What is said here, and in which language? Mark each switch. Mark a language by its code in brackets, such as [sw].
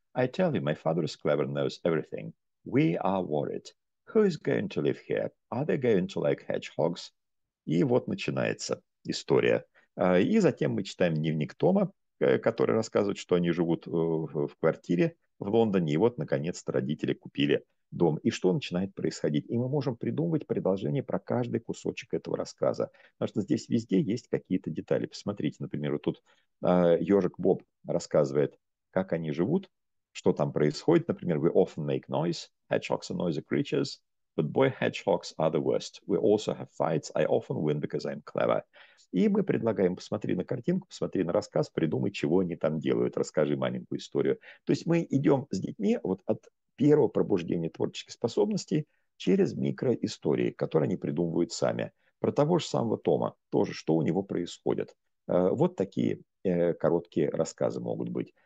[en] I tell you, my father is clever and knows everything. We are worried. Who is going to live here? Are they going to like hedgehogs? [ru] И вот начинается история. И затем мы читаем дневник Тома, который рассказывает, что они живут в квартире в Лондоне, и вот, наконец-то, родители купили дом. И что начинает происходить? И мы можем придумывать предложение про каждый кусочек этого рассказа, потому что здесь везде есть какие-то детали. Посмотрите, например, вот тут ежик Боб рассказывает, как они живут, что там происходит. Например, [en] we often make noise, hedgehogs are noisy creatures, but boy hedgehogs are the worst. We also have fights, I often win because I'm clever. [ru] И мы предлагаем, посмотри на картинку, посмотри на рассказ, придумай, чего они там делают, расскажи маленькую историю. То есть мы идем с детьми вот от первого пробуждения творческих способностей через микроистории, которые они придумывают сами. Про того же самого Тома тоже, что у него происходит. Вот такие короткие рассказы могут быть.